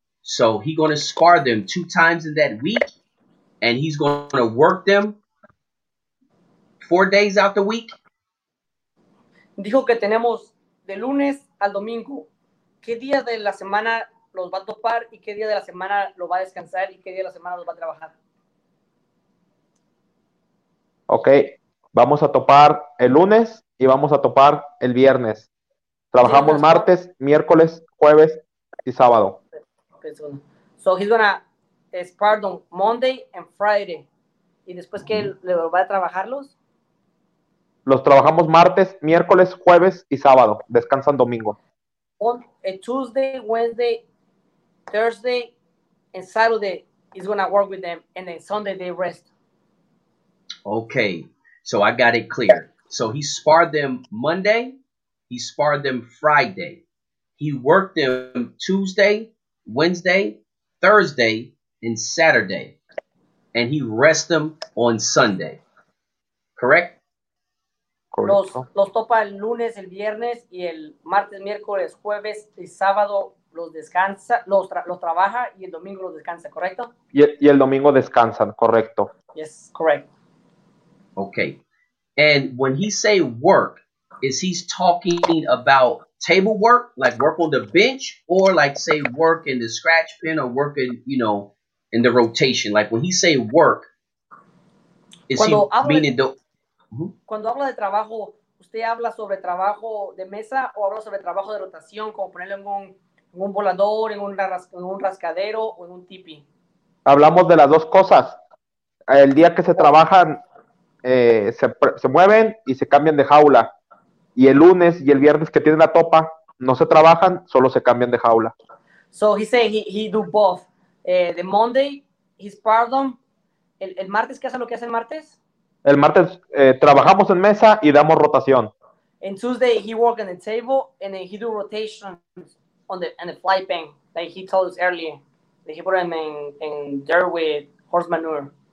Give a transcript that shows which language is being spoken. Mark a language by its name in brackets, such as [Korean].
[English] So he's going to spar them 2 times in that week. And he's going to work them 4 days out the week. [Spanish] Dijo que tenemos de lunes al domingo. ¿Qué día de la semana los va a topar? ¿Y qué día de la semana lo va a descansar? ¿Y qué día de la semana los va a trabajar? Ok, vamos a topar el lunes y vamos a topar el viernes. Trabajamos sí, martes, miércoles, jueves y sábado. [English] So he's gonna spar on Monday and Friday. [Spanish] ¿Y después qué le va a trabajarlos? Los trabajamos martes, miércoles, jueves y sábado. Descansan domingo. [English] On a Tuesday, Wednesday, Thursday and Saturday he's gonna work with them and then Sunday they rest. Okay, so I got it clear. So he sparred them Monday, he sparred them Friday. He worked them Tuesday, Wednesday, Thursday, and Saturday. And he rest them on Sunday. Correct? [Spanish] Los topa el lunes, el viernes, y el martes, miércoles, jueves, y sábado los descansa, los trabaja, y el domingo los descansa, ¿correcto? Y el domingo descansan, correcto. [English] Yes, correct. Okay, and when he say work, is he talking about table work, like work on the bench, or like say work in the scratch pin, or work in, you know, in the rotation? Like when he say work, is [Spanish] cuando [English] he [Spanish] hable, [English] meaning the? [Spanish] Cuando habla de trabajo, usted habla sobre trabajo de mesa o habla sobre trabajo de rotación, como ponerlo en un volador, en un rascadero o en un tipi. Hablamos de las dos cosas. El día que se trabajan. Se mueven y se cambian de jaula. Y el lunes y el viernes que tienen la topa, no se trabajan, solo se cambian de jaula. [English] So he said he do both. The Monday, he's part of [Spanish] ¿El martes qué hace lo que hace el martes? El martes trabajamos en mesa y damos rotación. [English] And Tuesday he worked on the table and then he do rotations on the and the fly pen that like he told us earlier. That he put them in dirt with horse manure.